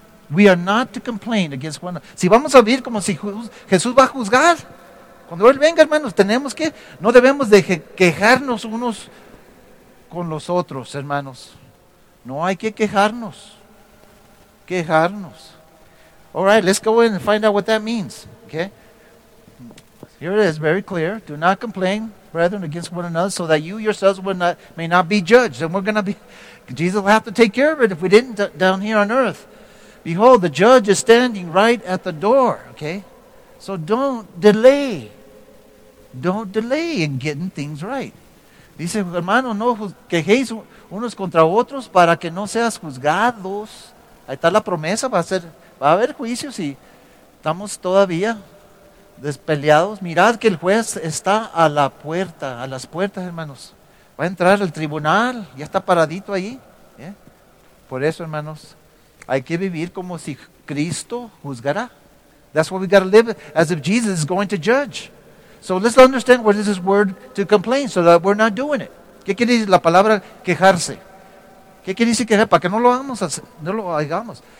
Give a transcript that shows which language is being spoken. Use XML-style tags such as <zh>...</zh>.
<en>We are not to complain against one another.</en> <es>Si vamos a vivir como si Jesús va a juzgar, cuando Él venga, hermanos, tenemos que, no debemos de quejarnos unos con los otros, hermanos. No hay que quejarnos. Quejarnos.</es> <en>All right, let's go in and find out what that means, okay? Here it is, very clear. Do not complain, brethren, against one another, so that you yourselves may not be judged. And we're going to be, Jesus will have to take care of it if we didn't down here on earth. Behold, the judge is standing right at the door, okay? So don't delay. Don't delay in getting things right.</en> <es>Dice, hermano, no quejéis unos contra otros para que no seas juzgados. Ahí está la promesa, va a haber juicio si estamos todavía despeleados. Mirad que el juez está a la puerta, a las puertas, hermanos. Va a entrar al tribunal, ya está paradito ahí. ¿Eh? Por eso, hermanos, hay que vivir como si Cristo juzgara.</es> <en>That's what we got to live, as if Jesus is going to judge. So let's understand what is this word to complain, so that we're not doing it.</en> <es>¿Qué quiere decir la palabra quejarse? ¿Qué quiere decir quejarse? Para que no lo hagamos, no lo hagamos.</es>